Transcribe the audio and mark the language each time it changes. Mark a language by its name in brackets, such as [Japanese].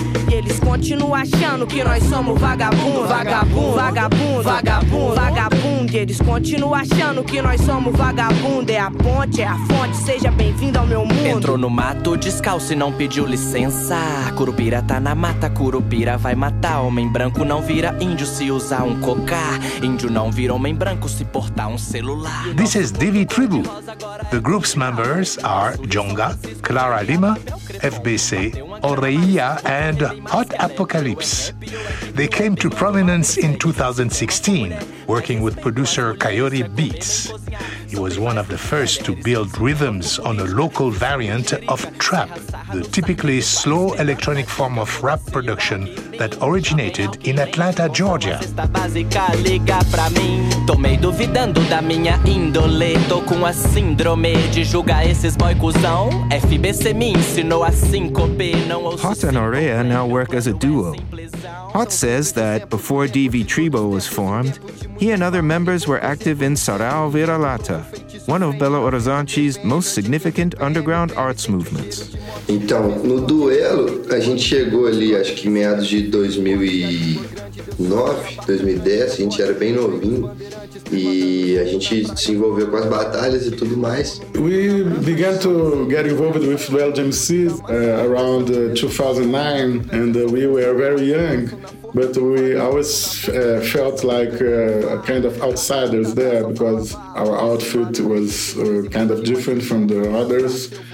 [Portuguese] E eles continuam achando que nós somos vagabundo, vagabundo, vagabundo, vagabundo, vagabundo. E eles continuam achando que nós somos vagabundo. É a fonte, seja bem-vindo ao meu mundo. Entrou no mato descalço e não pediu licença. Curupira tá na mata, curupira vai matar. Homem branco não vira índio se usar cocá. Índio não vira homem branco se portar celular. [English] This is Divi Tribu. The group's members are Jonga, Clara Lima, FBC, Oreia and Hot Apocalypse. They came to prominence in 2016, working with producer Coyote Beats. He was one of the first to build rhythms on a local variant of trap, the typically slow electronic form of rap production that originated in Atlanta, Georgia. [Portuguese] Tô meio duvidando da minha índole. Tô com a síndrome de julgar esses boy cuzão. FBC me ensinou a síncope. [English] Hot and Aurea now work as a duo. Hot says that before Divi Tribu was formed, he and other members were active in Sarau Viralata, one of Belo Horizonte's most significant underground arts movements. [Portuguese] Então, no duelo, a gente chegou ali, acho que meados de 2009, 2010, a gente era bem novinho, e a gente se envolveu com as batalhas e tudo mais. [English] We began to get involved with Duelo de MCs around 2009, and we were very young. But we always felt like a kind of outsiders there because our outfit was kind of different from the others.